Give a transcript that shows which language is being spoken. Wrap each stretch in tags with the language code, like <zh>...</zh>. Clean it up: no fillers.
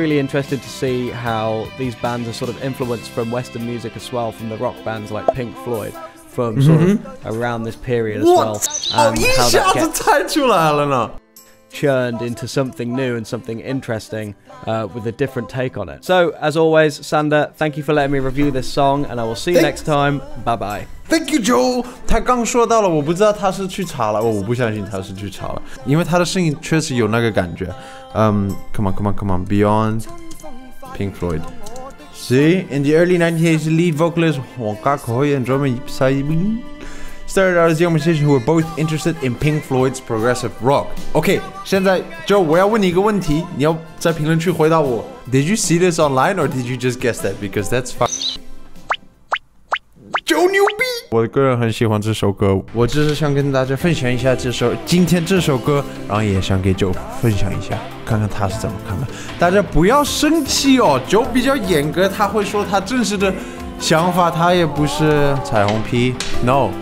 <en>Really interested to see how these bands are sort of influenced from Western music as well, from the rock bands like Pink Floyd, from sort of around this period as well. Churned into something new and something interesting with a different take on it. So, as always, Sander, thank you for letting me review this song, and I will see you next time. Bye-bye. Thank you, Joel.</en> <zh>他刚说到了，我不知道他是去查了，我不相信他是去查了，因为他的声音确实有那个感觉。</zh> <en>Come on. Beyond Pink Floyd. See, in the early 1980s, lead vocalist Wonka Koi and drummer Yipsai started out as young musicians who were both interested in Pink Floyd's progressive rock.</en> <zh>Okay, 现在就我要问你一个问题，你要在评论区回答我。</zh> <en>Did you see this online or did you just guess that? Because that's fine. Joe</en> <zh>牛逼！我个人很喜欢这首歌，我只是想跟大家分享一下今天这首歌，然后也想给 Joe 分享一下，看看他是怎么看的。大家不要生气哦 ，Joe 比较严格，他会说他真实的想法，他也不是彩虹屁 ，No。</zh>